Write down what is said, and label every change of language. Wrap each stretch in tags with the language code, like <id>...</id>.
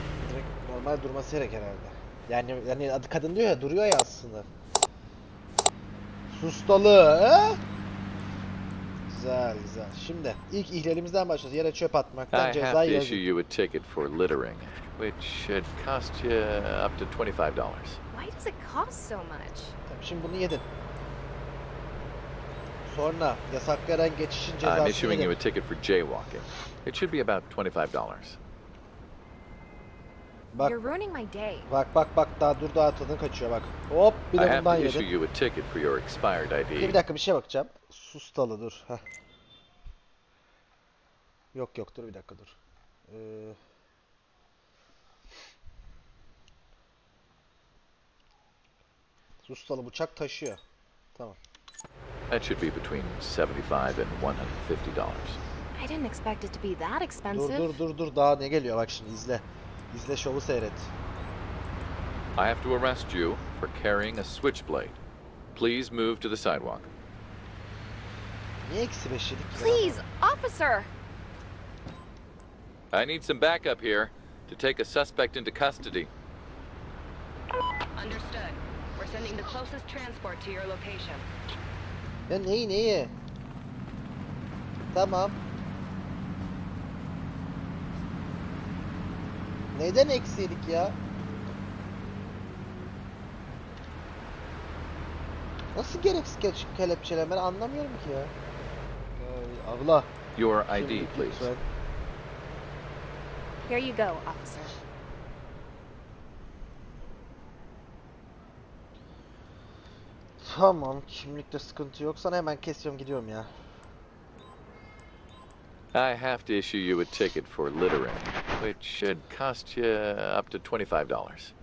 <tr>Direkt normal durması gerek herhalde. Yani adı kadın diyor ya, duruyor ya aslında. Sustalı. Güzel güzel. Şimdi ilk ihlalimizden başlıyoruz. Yere çöp atmaktan ceza yazıyor.</tr> <en>I have to issue you a ticket for littering, which should cost you up to $25. Why does it cost so much?</en> <tr>Şimdi bunu yedin. Sonra yasaklayan geçişin cezası.</tr> <en>I'm issuing you a ticket for jaywalking. It should be about $25.</en> <tr>Bak.</tr> <en>You're ruining my day.</en> <tr>Bak bak bak, daha dur, daha tadın kaçıyor bak. Hop, bir de bundan yedin.</tr> <en>I have to issue you a ticket for your expired ID.</en> <tr>Bir dakika, bir şey bakacağım. Sustalı dur. Heh. Yok yok, dur bir dakika dur. Ustalı bıçak taşıyor. Tamam.</tr> <en>That should be between $75 and $150. I didn't expect it to be that expensive.</en> <tr>Dur daha ne geliyor, bak şimdi izle. İzle, şovu seyret.</tr> <en>I have to arrest you for carrying a switchblade. Please move to the sidewalk.</en> <tr>Niye eksi beş yedik?</tr> <en>Please, officer. I need some backup here to take a suspect into custody. Understood. We're sending the closest transport to your location.</en> <tr>Ya neyi neyi? Tamam. Neden eksiydik ya? Nasıl gereksiz kelepçeler? Ben anlamıyorum ki ya. Abla.</tr> <en>Your ID, please. Here you go, officer.</en> <tr>Tamam, kimlikte sıkıntı yok. Sana hemen kesiyorum, gidiyorum ya.</tr> <en>I have to issue you a ticket for littering, which should cost you up to $25.</en>